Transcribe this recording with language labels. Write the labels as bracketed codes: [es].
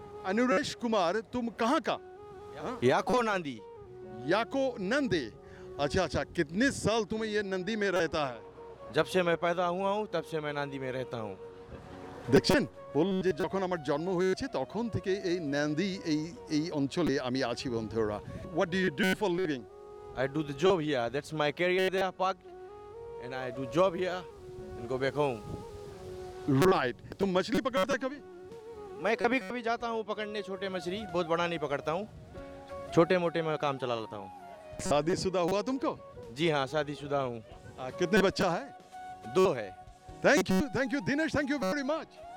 [hi] अनुरेश कुमार तुम कहाँ का? याको नंदी। याको नंदी, अच्छा अच्छा। कितने साल तुम्हें ये नंदी में रहता है? जब से मैं पैदा हुआ हूँ तब से मैं नंदी में रहता हूँ। [bn] দেখছেন বললাম যে যখন আমার জন্ম হয়েছে তখন থেকে এই নন্দি এই এই অঞ্চলে আমি আছি বন্ধুরা। [en] What do you do for living? I do the job here. That's my career there, park. And I do job here and go back home. [hi] Right. तुम मछली पकड़ते हो कभी? मैं कभी कभी जाता हूँ पकड़ने छोटे मछली, बहुत बड़ा नहीं पकड़ता हूँ, छोटे मोटे में काम चला लेता हूँ। शादी शुदा हुआ तुमको? जी हाँ शादी शुदा हूँ। कितने बच्चा है? 2 है। [en] Thank you Dinesh, thank you very much.